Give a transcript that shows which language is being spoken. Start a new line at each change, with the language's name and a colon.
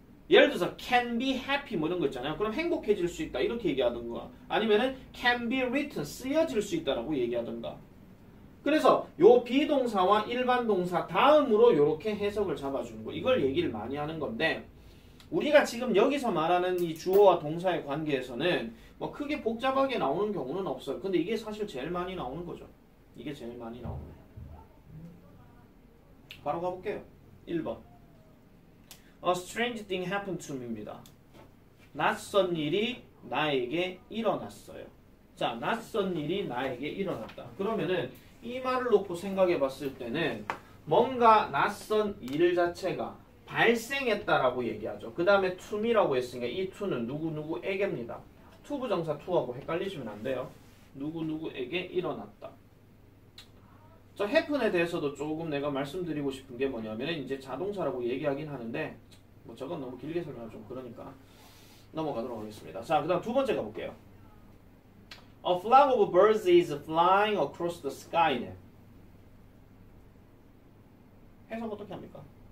Korean: 예를 들어서
English: can be happy
Korean: 뭐 이런 거 있잖아요. 그럼 행복해질 수 있다 이렇게 얘기하던가 아니면은
English: can be written
Korean: 쓰여질 수 있다라고 얘기하던가 그래서 요 비동사와 일반 동사 다음으로 이렇게 해석을 잡아주는 거 이걸 얘기를 많이 하는 건데 우리가 지금 여기서 말하는 이 주어와 동사의 관계에서는 뭐 크게 복잡하게 나오는 경우는 없어요. 근데 이게 사실 제일 많이 나오는 거죠. 이게 제일 많이 나오는 거예요. 바로 가볼게요.
English: 1번 A strange thing happened to me입니다.
Korean: 낯선 일이 나에게 일어났어요. 자, 낯선 일이 나에게 일어났다. 그러면은 이 말을 놓고 생각해 봤을 때는 뭔가 낯선 일 자체가 발생했다라고 얘기하죠. 그 다음에 to me라고 했으니까 이 to는 누구누구에게입니다. to 부정사 to하고 헷갈리시면 안 돼요. 누구누구에게 일어났다. 자, happen에 대해서도 조금 내가 말씀드리고 싶은 게 뭐냐면 이제 자동사라고 얘기하긴 하는데 뭐 저건 너무 길게 설명을 좀 그러니까 넘어가도록 하겠습니다. 자, 그 다음 두 번째 가볼게요.
English: A flock of birds is flying across the sky.
Korean: 해석 어떻게 합니까?